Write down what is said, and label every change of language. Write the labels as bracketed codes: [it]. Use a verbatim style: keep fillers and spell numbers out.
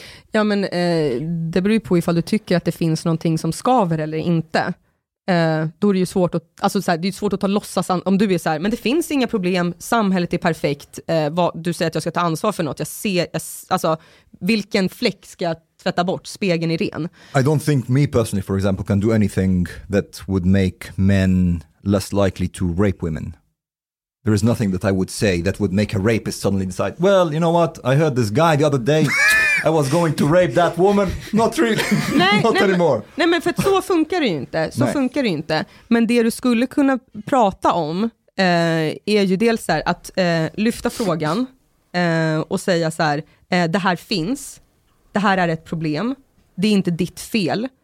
[sv] Ja, men eh, det beror ju på ifall du tycker att det finns någonting som skaver eller inte. Eh, då är det ju svårt att, alltså, så här, det är svårt att ta låtsas an- om du är så här, men det finns inga problem, samhället är perfekt. Eh, vad, du säger att jag ska ta ansvar för något. Jag ser, jag, alltså, vilken fläck ska jag tvätta bort? Spegeln är ren. [en] I don't think me personally, for example, can do anything that would make men less likely to rape women. There is nothing that I would say that would make a rapist suddenly decide, well, you know what, I heard this guy the other day, I was going to rape that woman, not really, [sv] nej, [en] not [sv] nej, [en] anymore. [sv] Nej, men för att så funkar det ju inte, så nej. funkar det ju inte. Men det du skulle kunna prata om eh, är ju dels så här, att eh, lyfta frågan eh, och säga så här, eh, det här finns, det här är ett problem, det är inte ditt fel.